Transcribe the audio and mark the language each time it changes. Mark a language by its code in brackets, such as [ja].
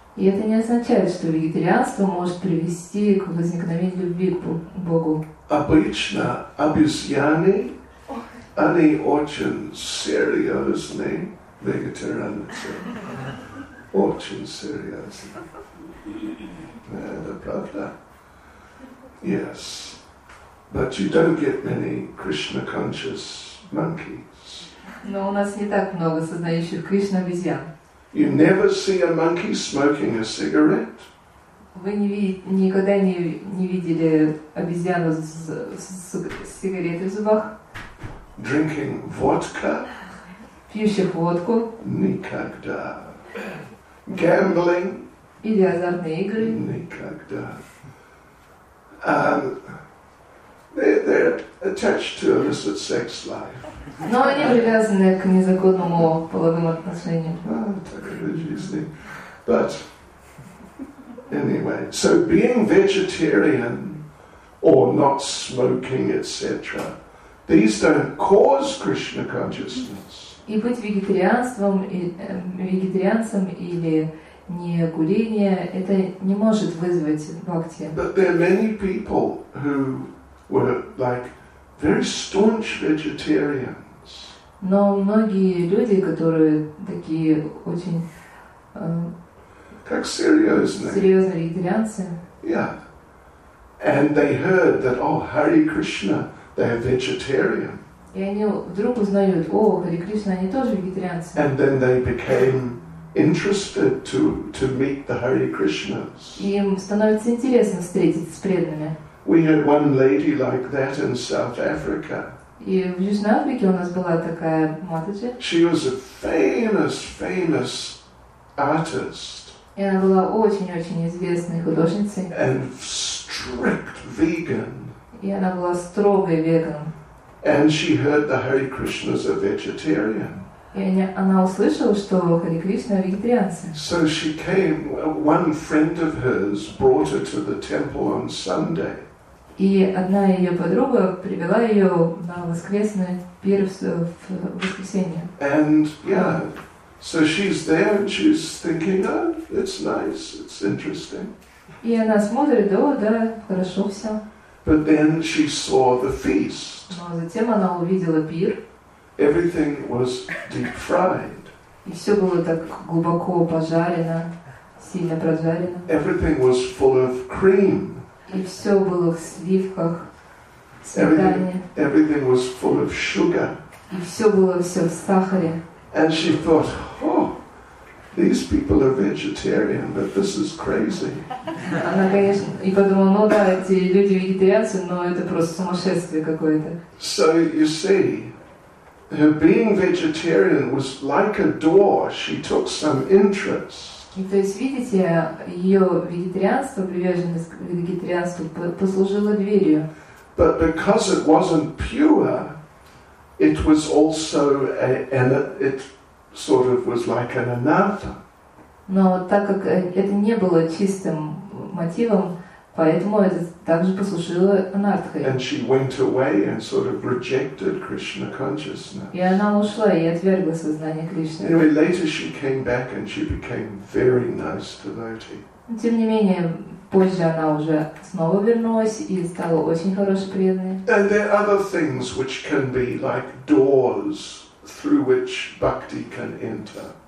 [ru] И это не означает, что вегетарианство может привести к возникновению любви к Богу. Обычно обезьяны, они очень серьезные вегетарианцы. Очень серьезные. Это правда. [en] Yes. But you don't get many Krishna conscious monkeys. [ru] Но у нас не так много сознающих Кришна обезьян. [en] You never see a monkey smoking a cigarette. [ru] Вы никогда не видели обезьяну с сигаретой в зубах? [en] Drinking vodka. [ru] Пьющих водку. Никогда. [en] Gambling. [ru] Или азартные игры. Никогда. [en] They're attached to illicit sex life. [ru] Но они привязаны к незаконному половому отношению. Так это жизнь. [en] But anyway, so being vegetarian or not smoking, etc., these don't cause Krishna consciousness. [ru] И быть вегетарианцем или не курение, это не может вызвать бхакти. [en] But there are many people who were like very staunch vegetarians. [ru] Но многие люди, которые такие очень как серьезные. Серьезные вегетарианцы. [en] Yeah. And they heard that, oh, Hare Krishna, they are vegetarian. [ru] И они вдруг узнают, о, Hare Krishna, они тоже вегетарианцы. [en] And then they became interested to meet the Hare Krishnas. [ru] И им становится интересно встретиться с преданными. [en] We had one lady like that in South Africa. [ru] И в Южной Африке у нас была такая матаджи. [en] She was a famous, famous artist. [ru] И она была очень-очень известной художницей. [en] And strict vegan. [ru] И она была строгой веган. [en] And she heard the Hare Krishnas are vegetarian. [ru] И она услышала, что Hare Krishna вегетарианцы. [en] So she came, one friend of hers brought her to the temple on Sunday. [ru] И одна ее подруга привела ее на воскресный пир в воскресенье. [en] And yeah, so she's there and she's thinking, oh, it's nice, it's interesting. [ru] И она смотрит, о, да, хорошо все. [en] But then she saw the feast. [ru] Но затем она увидела пир. [en] Everything was deep fried. [ru] И все было так глубоко пожарено, сильно прожарено. [en] Everything was full of cream. [ru] И все было в сливках, в сметане. [en] Everything was full of sugar. [ru] И все было все в сахаре. [en] And she thought, oh, these people are vegetarian, but this is crazy. [ru] Она, конечно, и подумала, ну да, эти люди вегетарианцы, но это просто сумасшествие какое-то. [en] So you see, her being vegetarian was like a door. She took some interest. [ru] И то есть, видите, ее вегетарианство, приверженность к вегетарианству послужило дверью. [en] But because it wasn't pure, it was also it sort of was like an anatha. [ru] Но так как это не было чистым мотивом, Поэтому это также послужило анартхой. [en] And she went away and sort of rejected Krishna consciousness. [ru] И она ушла и отвергла сознание Кришны. [en] Anyway, later she came back and she became very nice devotee. [ru] Тем не менее, позже она уже снова вернулась и стала очень хорошей преданной. [en] And there are other things which can be like doors through which bhakti can enter.